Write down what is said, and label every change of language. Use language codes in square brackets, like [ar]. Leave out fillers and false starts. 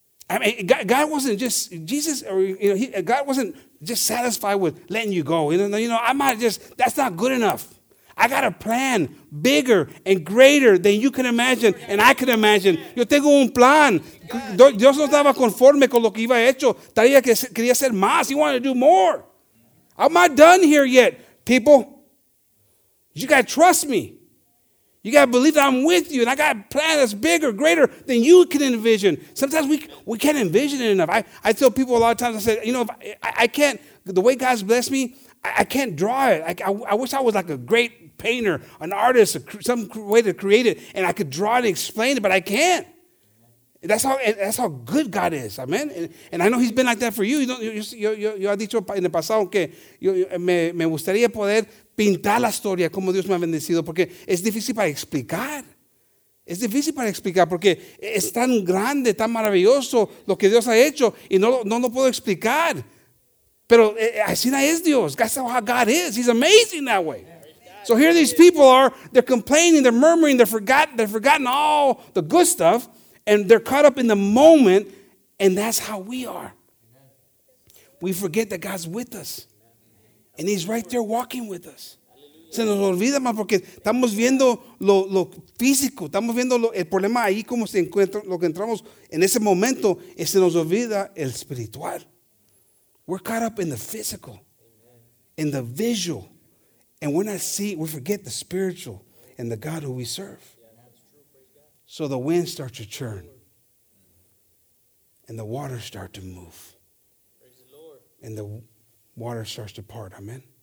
[en] I mean, God wasn't just satisfied with letting you go. You know, I might just, that's not good enough. I got a plan bigger and greater than you can imagine and I can imagine. [es] Yo tengo un plan. Dios no estaba conforme con lo que iba hecho. Todavía quería hacer más. [en] He wanted to do more. I'm not done here yet, people. You got to trust me. You got to believe that I'm with you, and I got a plan that's bigger, greater than you can envision. Sometimes we can't envision it enough. I tell people a lot of times, I say, you know, I can't, the way God's blessed me, I can't draw it. I wish I was like a great painter, an artist, some way to create it, and I could draw it and explain it, but I can't. That's how good God is, amen? And I know he's been like that for you. You know, [es] yo ha dicho en el pasado que me gustaría poder pintar la historia como Dios me ha bendecido, porque es difícil para explicar. Es difícil para explicar porque es tan grande, tan maravilloso lo que Dios ha hecho y no lo puedo explicar. Pero así no es Dios. [en] That's how God is. He's amazing that way. So here these people are, they're complaining, they're murmuring, they've forgotten all the good stuff, and they're caught up in the moment, and that's how we are. We forget that God's with us. And he's right there walking with us. [es] Se nos olvida más porque estamos viendo lo físico. Estamos viendo el problema ahí como se encuentra, lo que entramos en ese momento. Y se nos olvida el espiritual. [en] We're caught up in the physical, in the visual, and we forget the spiritual and the God who we serve. So the wind starts to churn, and the waters start to move, and the water starts to part. Amen.